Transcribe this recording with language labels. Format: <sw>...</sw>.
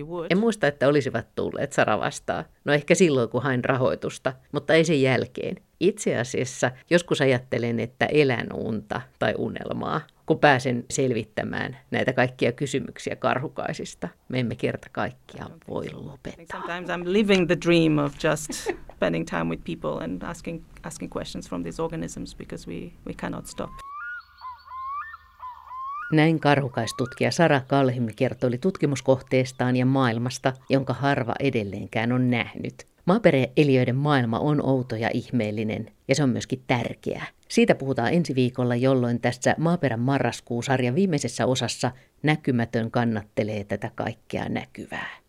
<fi>En muista, että olisivat tulleet, Sara vastaa. No ehkä silloin, kun hain rahoitusta, mutta ei sen jälkeen. Itse asiassa joskus ajattelen, että elän unta tai unelmaa, kun pääsen selvittämään näitä kaikkia kysymyksiä karhukaisista. Me emme kerta kaikkiaan voi lopettaa.</fi> <en>Sometimes I'm living the dream of just spending time with people and asking questions from these organisms because we cannot stop.</en> <fi>Näin karhukaistutkija Sara Kalhimi kertoi tutkimuskohteestaan ja maailmasta, jonka harva edelleenkään on nähnyt. Maaperäeliöiden maailma on outo ja ihmeellinen, ja se on myöskin tärkeää. Siitä puhutaan ensi viikolla, jolloin tässä Maaperän marraskuusarjan viimeisessä osassa näkymätön kannattelee tätä kaikkea näkyvää.</fi>